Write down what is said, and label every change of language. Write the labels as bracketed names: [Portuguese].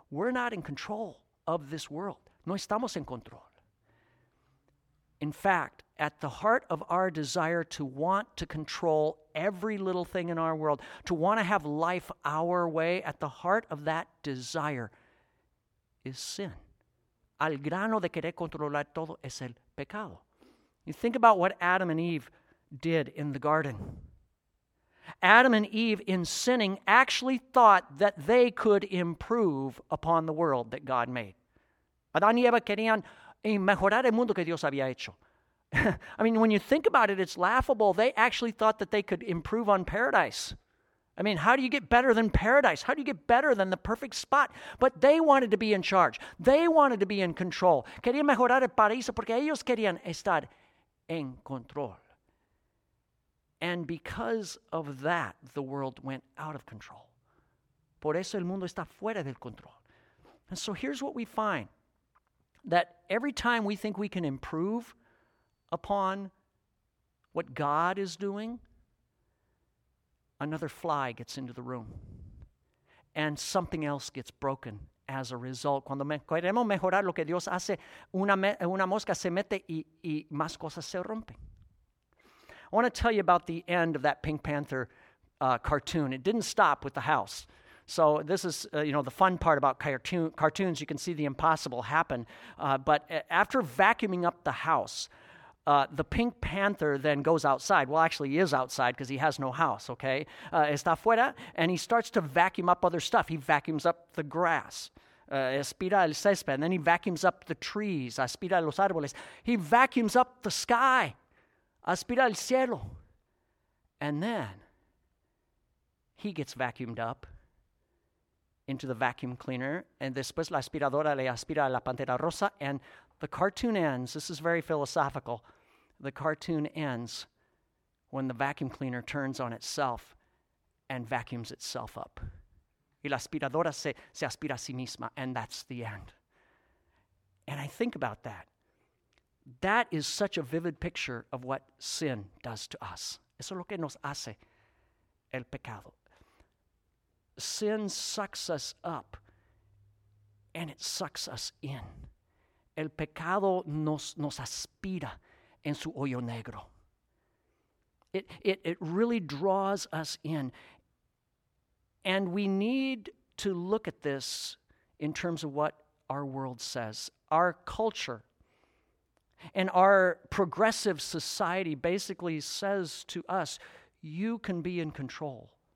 [English] We're not in control of this world. [Spanish] No estamos en control. [English] In fact, at the heart of our desire to want to control every little thing in our world, to want to have life our way, at the heart of that desire is sin. [Spanish] Al grano de querer controlar todo es el pecado. [English] You think about what Adam and Eve did in the garden. Adam and Eve, in sinning, actually thought that they could improve upon the world that God made. [Spanish] Adán y Eva querían mejorar el mundo que Dios había hecho. [English] I mean, when you think about it, it's laughable. They actually thought that they could improve on paradise. I mean, how do you get better than paradise? How do you get better than the perfect spot? But they wanted to be in charge. They wanted to be in control. [Spanish] Querían mejorar el paraíso porque ellos querían estar en control. [English] And because of that, the world went out of control. [Spanish] Por eso el mundo está fuera del control. [English] And so here's what we find. That every time we think we can improve upon what God is doing, another fly gets into the room. And something else gets broken as a result. [Spanish] Cuando queremos mejorar lo que Dios hace, una mosca se mete y más cosas se rompen. [English] I want to tell you about the end of that Pink Panther cartoon. It didn't stop with the house. So this is, the fun part about cartoons. You can see the impossible happen. But after vacuuming up the house, the Pink Panther then goes outside. Well, actually, he is outside because he has no house, okay? [Spanish] Está afuera, [English] and he starts to vacuum up other stuff. He vacuums up the grass. [Spanish] Aspira el césped. [English] And then he vacuums up the trees. [Spanish] Aspira los árboles. [English] He vacuums up the sky. [Spanish] Aspira el cielo. [English] And then he gets vacuumed up into the vacuum cleaner. [Spanish] And después la aspiradora le aspira a la pantera rosa. [English] And the cartoon ends. This is very philosophical. The cartoon ends when the vacuum cleaner turns on itself and vacuums itself up. [Spanish] Y la aspiradora se aspira a sí misma. [English] And that's the end. And I think about that. That is such a vivid picture of what sin does to us. [Spanish] Eso es lo que nos hace el pecado. [English] Sin sucks us up, and it sucks us in. [Spanish] El pecado nos aspira en su hoyo negro. [English] It really draws us in. And we need to look at this in terms of what our world says. Our culture and our progressive society basically says to us, you can be in control.